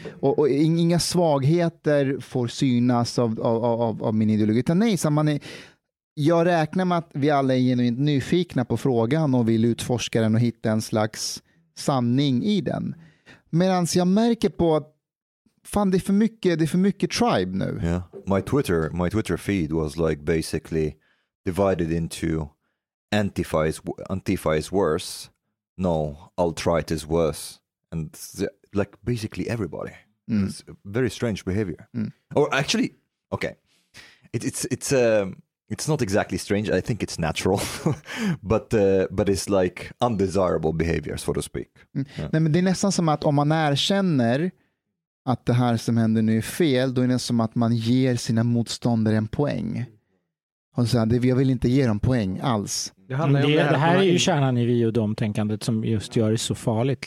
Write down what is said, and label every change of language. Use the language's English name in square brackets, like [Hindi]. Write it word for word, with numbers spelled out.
[Swedish] Och, och inga svagheter får synas av, av, av, av min ideologi. Utan nej, så man är, jag räknar med att vi alla är genuint nyfikna på frågan och vill utforska den och hitta en slags sanning i den. Medan jag märker på att fan, det är för mycket, det är för mycket tribe nu. Yeah. [English] My Twitter, my Twitter feed was like basically divided into Antifa is, Antifa is worse. No, alt-right is worse. And the, like basically everybody. Mm. It's very strange behavior. Mm. Or actually, okay, it, it's it's um, it's not exactly strange. I think it's natural, but uh, but it's like undesirable behavior, so to speak. Mm. Yeah. [Swedish] Nej, men det är nästan som att om man erkänner att det här som händer nu är fel, då är det som att man ger sina motståndare en poäng. Och så här, jag vill inte ge dem poäng alls. Det, det, det, här, det här är ju kärnan i vi och de tänkandet som just gör det så farligt.